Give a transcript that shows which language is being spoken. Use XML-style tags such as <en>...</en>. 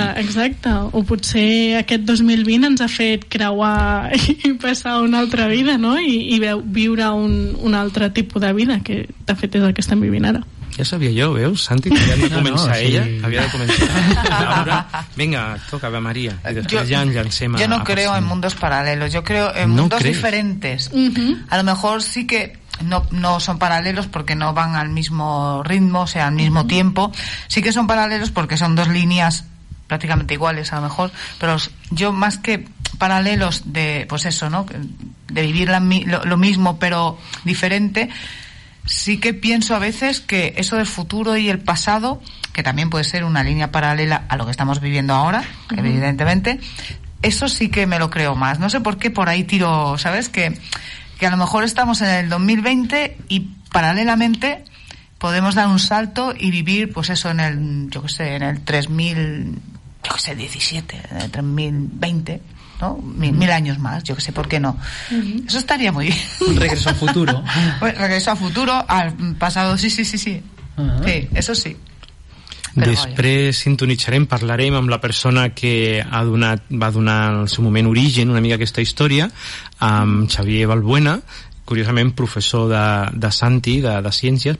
<ca>Exacte. O potser aquest 2020 ens ha fet creuar i passar una altra vida, no? I viure un altre tipus de vida, que de fet és el que estem vivint ara. Ja sabia jo, veus, Santi, que havia de començar ella. Havia de començar. Vinga, toca, va, Maria. Ja ens llancem.</ca> <es>Jo no creo en mundos paralelos. Yo creo en mundos diferentes. A lo mejor sí que... No son paralelos porque no van al mismo ritmo, o sea, al mismo tiempo. Sí que son paralelos porque son dos líneas prácticamente iguales, a lo mejor. Pero yo, más que paralelos de, pues eso, ¿no? De vivir lo mismo pero diferente, sí que pienso a veces que eso del futuro y el pasado, que también puede ser una línea paralela a lo que estamos viviendo ahora, evidentemente, eso sí que me lo creo más. No sé por qué por ahí tiro, ¿sabes? Que a lo mejor estamos en el 2020 y paralelamente podemos dar un salto y vivir, pues eso, en el, yo qué sé, en el 3017, en el 3020, ¿no? Mil años más, yo qué sé, ¿por qué no? Uh-huh. Eso estaría muy bien. Un regreso al futuro. Pues, regreso al futuro, al pasado, sí. Uh-huh. Sí, eso sí.</es> <ca>Però després sintonitzarem, parlarem amb la persona que va donar en el seu moment origen una mica a aquesta història, amb Xavier Balbuena, curiosament professor de Santi, de Ciències.</ca>